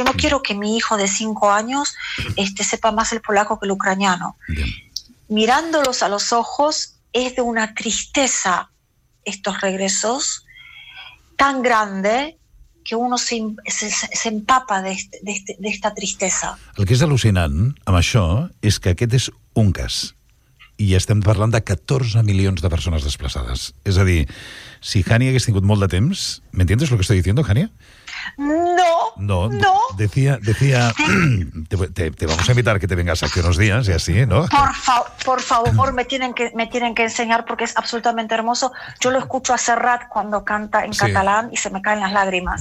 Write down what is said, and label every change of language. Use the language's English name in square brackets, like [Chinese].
[Spanish] Yo no quiero que mi hijo de 5 años sepa más el polaco que el ucraniano. Bien. Mirándolos a los ojos, es de una tristeza estos regresos tan grande que uno se empapa de esta tristeza. [Catalan] El que és al·lucinant amb això és que aquest és un cas. I estem parlant de 14 milions de persones desplaçades. És a dir, si Jania hagués tingut molt de temps... [Spanish] ¿Me entiendes lo que estoy diciendo, Jania? No. Decía... Te vamos a invitar que te vengas aquí unos días y así, ¿no? Por favor, me tienen que enseñar porque es absolutamente hermoso. Yo lo escucho a Serrat cuando canta en catalán y se me caen las lágrimas.